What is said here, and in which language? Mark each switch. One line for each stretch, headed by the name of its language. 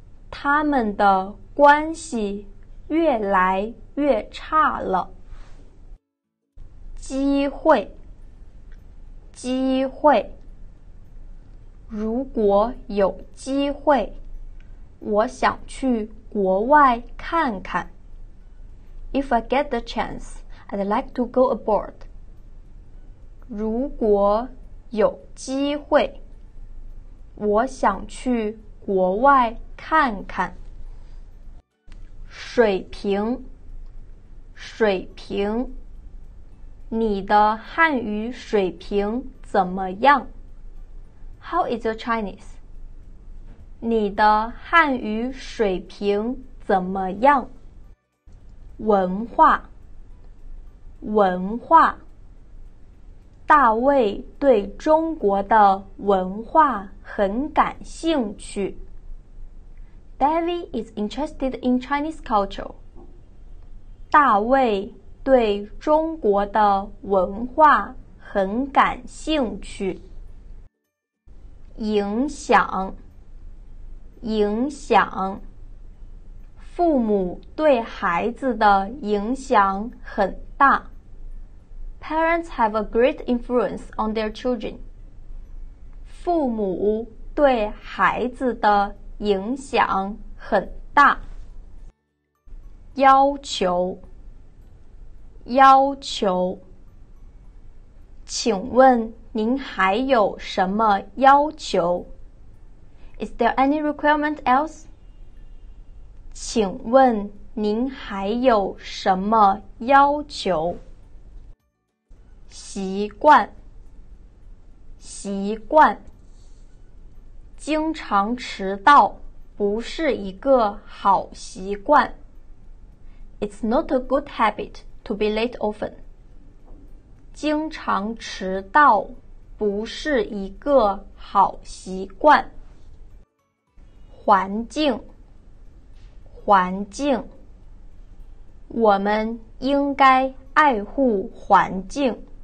Chinese: 他们的关系越来越差了。机会，机会。如果有机会，我想去国外看看。
English: If I get the chance, I'd like to go abroad.
Chinese: 如果有机会，我想去国外看看。水平，水平，你的汉语水平怎么样？
English: How is your Chinese?
Chinese: 你的汉语水平怎么样？文化，文化，大卫对中国的文化很感兴趣。
English: David is interested in Chinese culture.
Chinese: 大卫对中国的文化很感兴趣。影响，影响，父母对孩子的影响很大。
English: Parents have a great influence on their children.
Chinese: 父母对孩子的影响很大。要求，要求。请问您还有什么要求？
English: Is there any requirement else?
Chinese: 请问您还有什么要求？习惯，习惯，经常迟到不是一个好习惯。
English: It's not a good habit to be late often.
Chinese: 经常迟到不是一个好习惯。环境，环境，我们应该爱护环境。